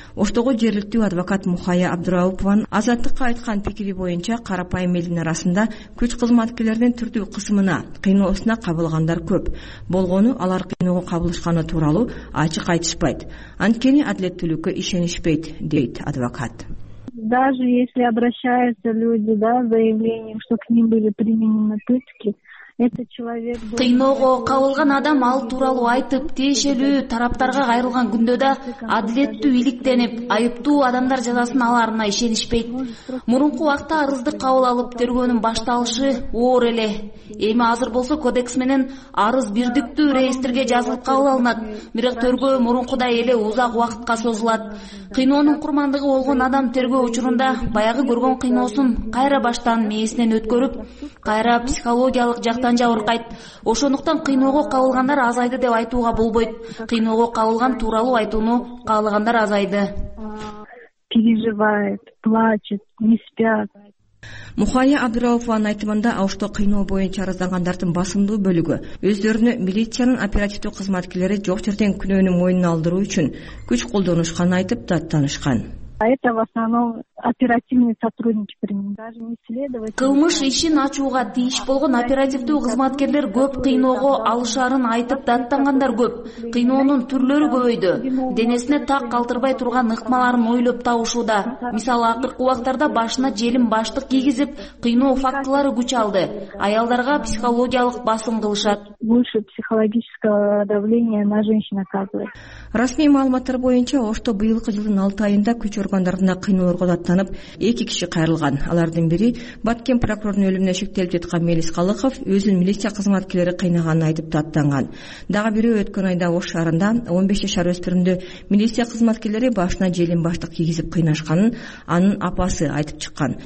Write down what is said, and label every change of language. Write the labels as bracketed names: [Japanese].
[Kyrgyz] Оштогу жергиликтүү адвокат Мухая Абдырауповун азаттыкка айткан пикири боюнча карапайым элдин арасында күч кызматкерлеринин түрдүү кысымына кыйноосуна кабылгандар көп. Болгону алар кыйноого кабылышканы тууралуу ачык айтышпайт. Анткени адилеттүүлүккө ишенишпейт, дейт адвокат. [Russian] Даже если обращаются люди, да, заявлением, что к ним были применены пытки. [Kyrgyz] Кыйноого кабылган адам ал тууралуу айтып, тиешелүү тараптарга кайрылган күндө да адилеттүү иликтенип, айыптуу адамдар жазасын аларына ишенишпейт. Мурунку убакта арызды кабыл алып, тергөөнүн башталышы оор эле. Эми азыр болсо кодекс менен арыз бирдиктүү реестрге жазылып кабыл алынат. Бирок тергөө мурункудай эле узак убакытка созулат. Кыйноонун курмандыгы болгон адам тергөө учурунда баягы көргөн кыйноосун кайра баштан мээсинен өткөрүп, кайра психологиялык жактан жабыркайт. Ошондуктан кыйноого кабылгандар азайды деп айтууга болбойт. Кыйноого кабылган тууралуу айтууну каалагандар азайды. [Russian] Переживает, плачет, не спят. [Kyrgyz] Мухая Абдыраупованын айтымында Ошто кыйноо боюнча арызданганардын басымдуу бөлүгү өздөрүнө милициянын оперативдүү кызматкерлери жок жерден күнөөнү мойнуна алдыруу үчүн күч колдонушканын айтып даттанышкан. [Russian] Это в основном оперативные сотрудники применены, даже не следователи. [Kyrgyz] Кылмыш ишин ачууга тийиш болгон оперативдүү кызматкерлер көп, кыйноого алышарын айтып даттангандар көп. Кыйноонун түрлөрү көбөйдү. Денесине так калтырбай турган ыкмаларын ойлоп табышууда. Мисалы, акыркы убактарда башына желим баштык кийгизип, кыйноо фактылары күч алды. Аялдарга психологиялык басым кылышат. [Russian] Больше психологического давления на женщин оказывается. [Kyrgyz] Расмий маалыматтар боюнча Ошто быйылкы жылдын 6 айында күч органдарына кыйноолорго даттанып 2 киши кайрылган. Алардын бири Баткен прокурорунун өлүмүнө шектелип жаткан Мелис Калыков өзүн милиция кызматкерлери кыйнаганын айтып даттанган. Дагы бири өткөн айда Ош шаарында 15 жашар өспүрүмдү милиция кызматкерлери башына желим баштык кийгизип кыйнашканын анын апасы айтып чыккан.